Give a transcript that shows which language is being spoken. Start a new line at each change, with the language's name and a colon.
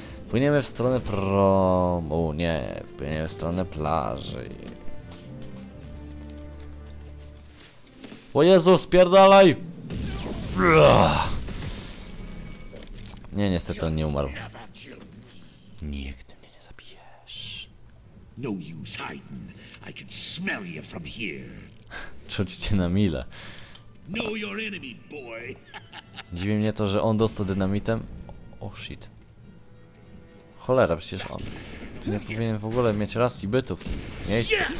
Polish: Płyniemy w stronę promu, nie, płyniemy w stronę plaży. O Jezu, spierdalaj! Nie, niestety on nie umarł. Nigdy mnie nie zabijesz.
English: No use hiding. I can smell you from here.
Polish: Czuć cię na mile.
English: Know your enemy, boy.
Polish: Dziwi mnie to, że on dostał dynamitem.
English: Oh shit.
Polish: Cholera, przecież on. Nie powinien w ogóle mieć racji bytu w tym miejscu.